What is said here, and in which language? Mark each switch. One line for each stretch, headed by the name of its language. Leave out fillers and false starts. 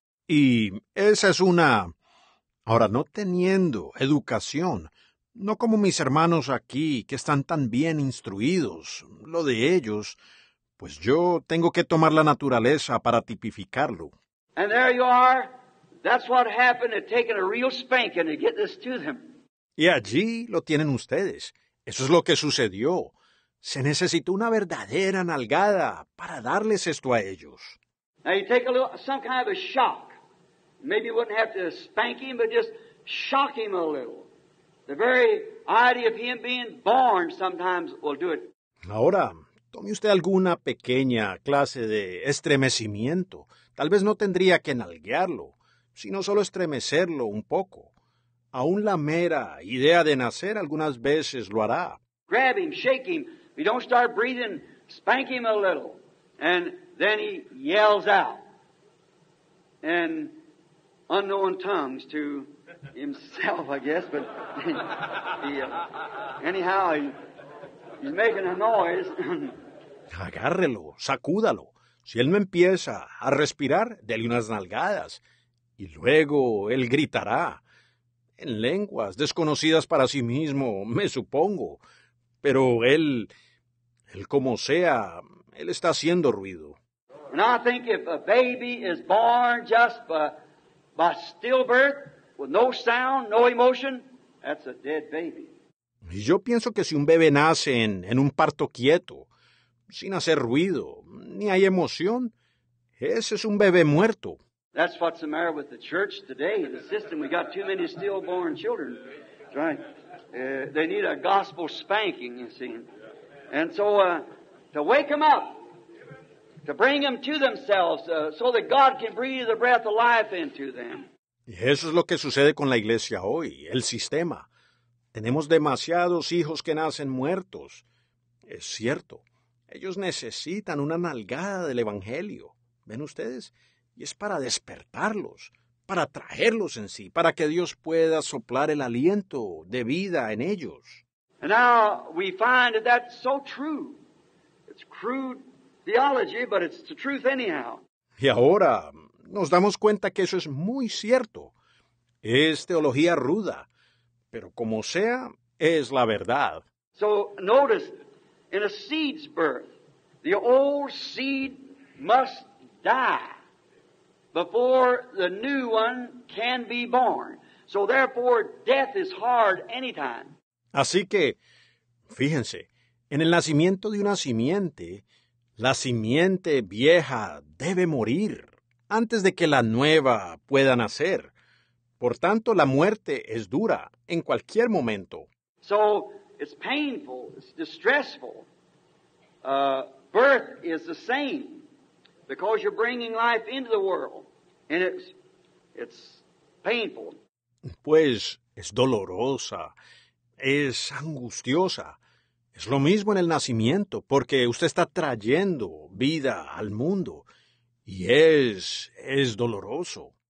Spanish: Y esa es una, ahora no teniendo educación, no como mis hermanos aquí que están tan bien instruidos, lo de ellos, pues yo tengo que tomar la naturaleza para tipificarlo.
English: And there you are. That's what happened to taking a real spanking to get this to them.
Spanish: Y allí lo tienen ustedes. Eso es lo que sucedió. Se necesitó una verdadera nalgada para darles esto a ellos.
English: Now you take a little, some kind of a shock. Maybe you wouldn't have to spank him, but just shock him a little. The very idea of him being born sometimes will do it.
Spanish: Ahora, tome usted alguna pequeña clase de estremecimiento. Tal vez no tendría que nalguearlo, sino solo estremecerlo un poco. Aún la mera idea de nacer algunas veces lo hará.
English: Grab him, shake him. If he don't start breathing, spank him a little. And then he yells out in unknown tongues to himself, I guess. But he's making a noise.
Spanish: Agárrelo, sacúdalo. Si él no empieza a respirar, dele unas nalgadas. Y luego él gritará, en lenguas desconocidas para sí mismo, me supongo. Pero él como sea, él está haciendo ruido.
English: And I think if a baby is born just by stillbirth, with no sound, no emotion, that's a dead baby.
Spanish: Y yo pienso que si un bebé nace en un parto quieto, sin hacer ruido, ni hay emoción, ese es un bebé muerto.
English: That's what's the matter with the church today, the system. We got too many stillborn children. That's right. They need a gospel spanking, you see. And so to wake them up, to bring them to themselves, so that God can breathe the breath of life into them.
Spanish: Y eso es lo que sucede con la iglesia hoy, el sistema. Tenemos demasiados hijos que nacen muertos. Es cierto. Ellos necesitan una nalgada del evangelio. ¿Ven ustedes? Y es para despertarlos, para traerlos en sí, para que Dios pueda soplar el aliento de vida en ellos.
English: And now we find that that's so true. It's crude theology, but it's the truth anyhow.
Spanish: Y ahora nos damos cuenta que eso es muy cierto. Es teología ruda, pero como sea, es la verdad.
English: So notice, in a seed's birth, the old seed must die before the new one can be born. So therefore, death is hard anytime.
Spanish: Así que, fíjense, en el nacimiento de una simiente, la simiente vieja debe morir antes de que la nueva pueda nacer. Por tanto, la muerte es dura en cualquier momento.
English: So, it's painful, it's distressful. Birth is the same because you're bringing life into the world and it's painful.
Spanish: Pues, es dolorosa, es angustiosa. Es lo mismo en el nacimiento, porque usted está trayendo vida al mundo, y es doloroso.